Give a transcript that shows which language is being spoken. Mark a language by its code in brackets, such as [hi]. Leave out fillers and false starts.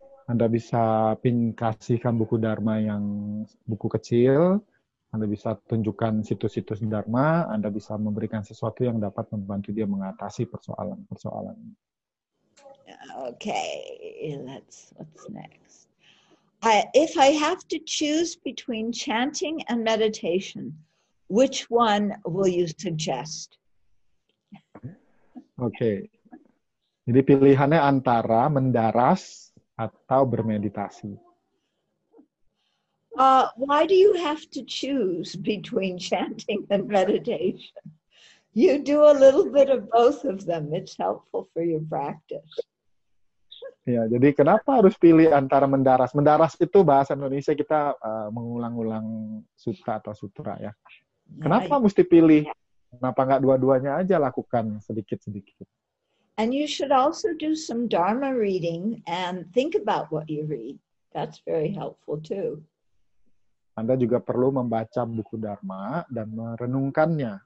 [id] Anda bisa kasihkan buku Dharma yang buku kecil. Anda bisa tunjukkan situs-situs Dharma. Anda bisa memberikan sesuatu yang dapat membantu dia mengatasi persoalan-persoalan. [en] Okay, what's next? If I have to choose between chanting and meditation, which one will you suggest? [id] Okay, jadi pilihannya antara mendaras atau bermeditasi. [en] Why do you have to choose between chanting and meditation? You do a little bit of both of them. It's helpful for your practice. [id] Ya, jadi kenapa harus pilih antara mendaras? Mendaras itu bahasa Indonesia kita mengulang-ulang sutta atau sutra ya. Kenapa mesti pilih? Kenapa nggak dua-duanya aja lakukan sedikit-sedikit? [en] And you should also do some Dharma reading and think about what you read. That's very helpful too. [id] Anda juga perlu membaca buku Dharma dan merenungkannya.